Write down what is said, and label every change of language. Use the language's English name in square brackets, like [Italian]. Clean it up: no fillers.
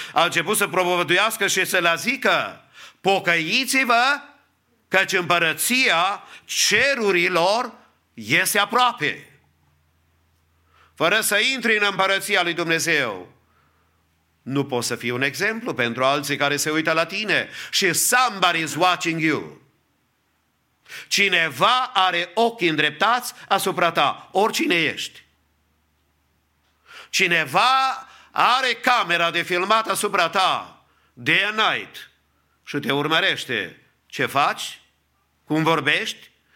[Romanian] A început să propovăduiască și să le zică: pocăiți-vă căci împărăția cerurilor este aproape. Fără să intri în împărăția lui Dumnezeu, nu poți să fii un exemplu pentru alții care se uită la tine. [English] Și somebody is watching you. [Romanian] Cineva are ochii îndreptați asupra ta, oricine ești. Cineva are camera de filmat asupra ta, [English] day and night, [Romanian] și te urmărește. Ce faci? Cum vorbești?